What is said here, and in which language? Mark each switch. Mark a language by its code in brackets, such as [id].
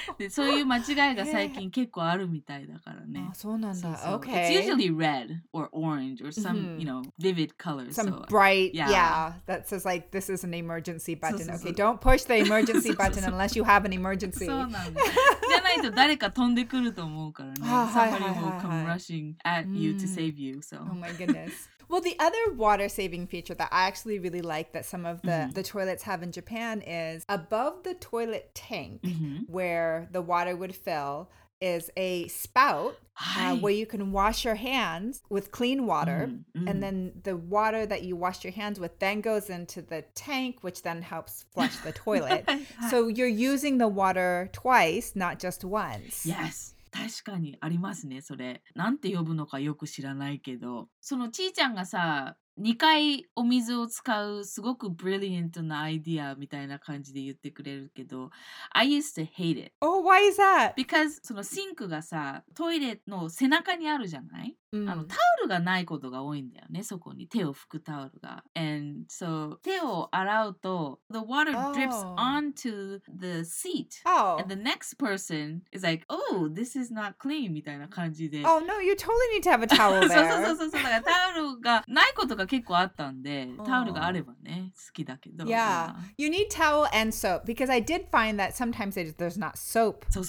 [ja] そういう間違いが最近結構あるみたいだからね。そうなんだ。 [en] Okay. It's usually red or orange or some, you know, vivid colors. Some bright, yeah. That says like, this is an emergency button. So, so, so. Okay, don't push the emergency button unless you have an emergency. [ja] そうなんだ。じゃないと誰か飛んでくると思うからね。 [en] Somebody will come rushing at you to save you. So. Oh my goodness. Well, the other water-saving feature that I actually really like that some of the toilets have in Japan is above the toilet tank where the water would fill is a spout where you can wash your hands with clean water. And then the water that you wash your hands with then goes into the tank, which then helps flush the toilet. So you're using the water twice, not just once. Yes. [ja] 確かにありますね、それ。なんて呼ぶのかよく知らないけど。そのちーちゃんがさ、2回お水を使うすごくブリリエントなアイディアみたいな感じで言ってくれるけど、 [en] I used to hate it. Oh, why is that? Because [ja] そのシンクがさ、トイレの背中にあるじゃない？あのタオルがないことが多いんだよね、そこに手を拭くタオルが。 [en] And so [ja] 手を洗うと、 [en] the water drips onto the seat. Oh. And the next person is like, oh, this is not clean [ja] みたいな感じで。 [en] Oh, no, you totally need to have a towel there. [ja] そう。だからタオルがないことが結構あったんで、タオルがあればね、好きだけど。 [en] Yeah. You need towel and soap. Because I did find that sometimes there's not soap